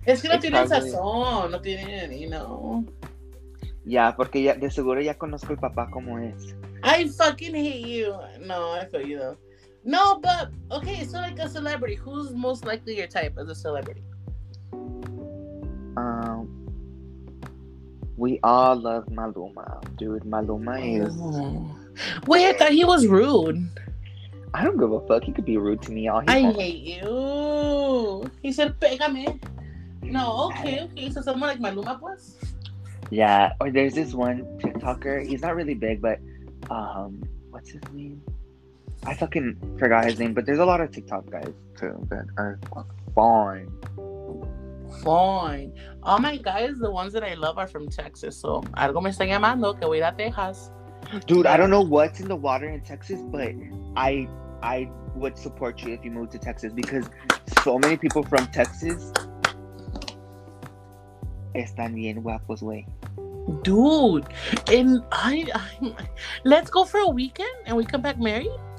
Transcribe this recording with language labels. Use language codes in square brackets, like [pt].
[es] Es que no tiene sazón, no tiene, you know. Yeah, porque ya de seguro ya conozco el papá como es. [en] I fucking hate you. No, I feel you though. No, but okay, so like a celebrity, who's most likely your type as a celebrity? We all love Maluma, dude. Maluma is. Wait, I thought he was rude. I don't give a fuck. He could be rude to me all he wants. I hate you. He said, pégame. No, okay. So someone like Maluma was? Yeah, or there's this one TikToker. He's not really big, but. What's his name? I fucking forgot his name, but there's a lot of TikTok guys too that are fine. Fine. All my guys, the ones that I love, are from Texas. [es] So, algo me está llamando que voy a Texas. [en] Dude, I don't know what's in the water in Texas, but I would support you if you moved to Texas, because so many people from Texas [es] están bien guapos, güey. [en] Dude, and I let's go for a weekend and we come back married.